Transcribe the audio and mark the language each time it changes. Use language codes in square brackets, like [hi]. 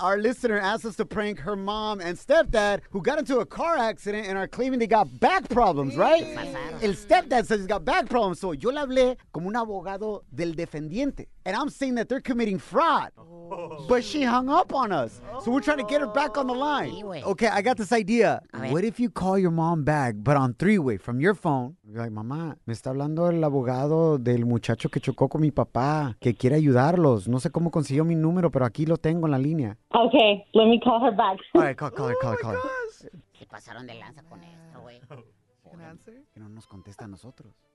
[en] Our listener asked us to prank her mom and stepdad who got into a car accident and are claiming they got back problems, right? El stepdad says he's got back problems. So [es] yo le hablé como un abogado del defendiente. [en] And I'm saying that they're committing fraud. But she hung up on us. So we're trying to get her back on the line. Okay, I got this idea. What if you call your mom back, but on three-way from your phone? You're like, [es] mamá, me está hablando el abogado del muchacho que chocó con mi papá, que quiere ayudarlos. No sé cómo consiguió mi número, pero aquí lo tengo en la línea. [en] Okay, let me call her back. All right, call her. [es] Se pasaron de lanza con esto, güey. [en] ¿Can answer? [es] Que no nos contesta a nosotros.